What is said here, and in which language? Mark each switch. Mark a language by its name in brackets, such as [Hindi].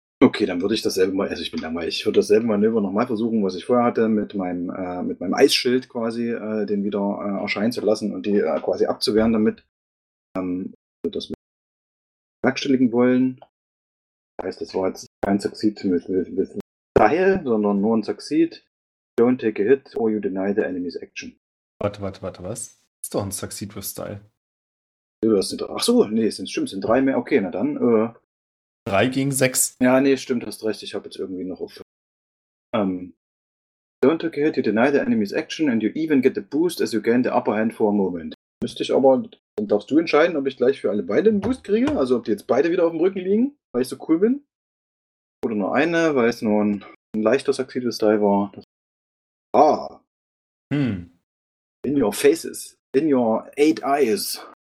[German] Okay, dann würde ich dasselbe mal, also ich bin da mal, ich würde dasselbe Manöver nochmal versuchen, was ich vorher hatte, mit meinem Eisschild quasi, den wieder erscheinen zu lassen und die quasi abzuwehren damit. Würde das mit bewerkstelligen wollen. Das heißt, das war jetzt kein Succeed mit Teil, sondern nur ein Succeed. [English] Don't take a hit or you deny the enemy's action. [German] Warte, was? Das ist doch ein Succeed with Style. Sind 3 mehr. Okay, na dann. 3 gegen 6. Ja, nee, stimmt, hast recht. Ich habe jetzt irgendwie noch auf. [English] Don't take a hit, you deny the enemy's action and you even get the boost as you gain the upper hand for a moment. [German] Müsste ich aber, dann darfst du entscheiden, ob ich gleich für alle beide einen Boost kriege. Also ob die jetzt beide wieder auf dem Rücken liegen, weil ich so cool bin. Oder nur eine, weil es nur ein leichter Succeed Style war. [English] In your faces. In your 8 eyes.